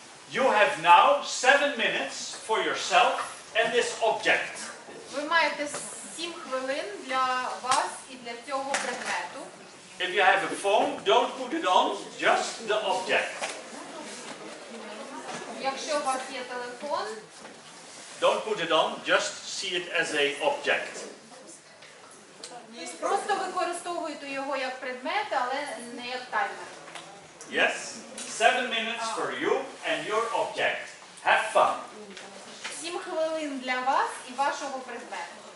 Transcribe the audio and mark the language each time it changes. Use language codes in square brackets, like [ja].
[en] You have now 7 minutes for yourself and this object. [uk] Ви маєте 7 хвилин для вас і для цього предмету. [en] If you have a phone, don't put it on, just the object. [uk] Якщо у вас є телефон, [en] don't put it on, just see it as a object. [uk] Просто використовуєте його як предмет, але не як таймер. [en] Yes, 7 minutes for you and your object. Have fun. [uk] 7 хвилин для вас і вашого предмету.